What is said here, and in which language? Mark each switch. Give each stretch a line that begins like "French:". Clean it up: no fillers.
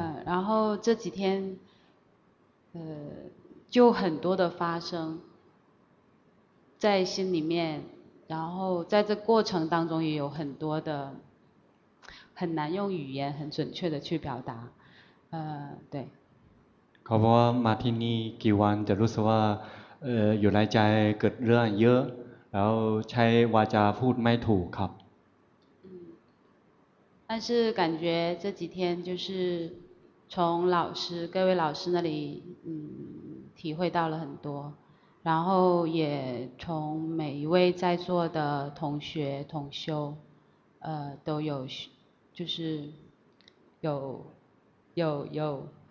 Chinese: 然后这几天就很多的发生在心里面然后在这过程当中也有很多的很难用语言很准确的去表达对
Thai: เขาบอกว่ามาที่นี่กี่วันจะรู้สึกว่าอยู่ในใจเกิดเรื่องเยอะแล้วใช้วาจาพูดไม่ถูกครับ
Chinese: 但是感觉这几天就是从老师各位老师那里体会到了很多然后也从每一位在座的同学同修都有就是有